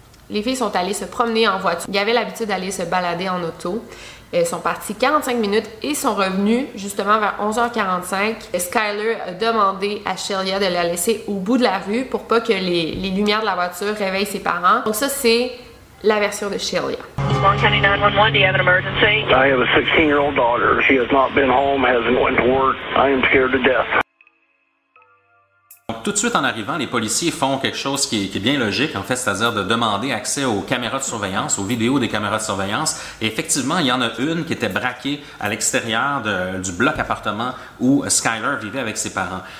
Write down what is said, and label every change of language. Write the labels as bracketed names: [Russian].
[French] Les filles sont allées se promener en voiture. Ils avaient l'habitude d'aller se balader en auto. Elles sont parties 45 minutes et sont revenues justement vers 11h45. Skyler a demandé à Shelia de la laisser au bout de la rue pour pas que les lumières de la voiture réveillent ses parents. Donc ça, c'est la version de Shelia. [English] Warren County 911, do you have an emergency? I have a 16-year-old daughter. She has not been home, hasn't went to work. I am scared to death. [French] Donc, tout de suite en arrivant, les policiers font quelque chose qui est bien logique, en fait, c'est-à-dire de demander accès aux caméras de surveillance, aux vidéos des caméras de surveillance. Et effectivement, il y en a une qui était braquée à l'extérieur du bloc appartement où Skyler vivait avec ses parents.